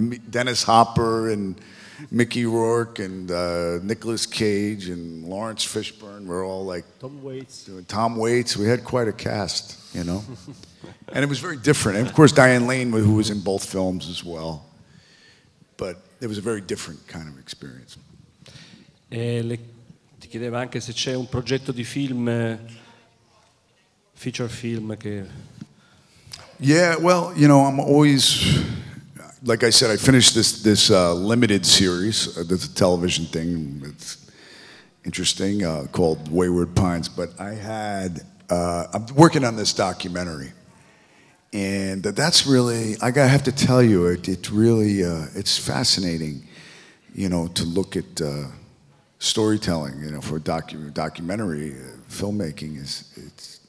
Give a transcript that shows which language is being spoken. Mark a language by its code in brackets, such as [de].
[en] Dennis Hopper and Mickey Rourke and Nicolas Cage and Lawrence Fishburne were all like Tom Waits. Tom Waits. We had quite a cast, you know, and it was very different. And of course, Diane Lane, who was in both films as well, but. It was a very different kind of experience. [it] Ti chiedeva anche se c'è un progetto di film, feature film che [en] Yeah, well, you know, I'm always, like I said, I finished this limited series, this television thing, it's interesting, called Wayward Pines, but I had, I'm working on this documentary, and that's really, I have to tell you, it really it's fascinating, you know, to look at storytelling, you know, for documentary filmmaking.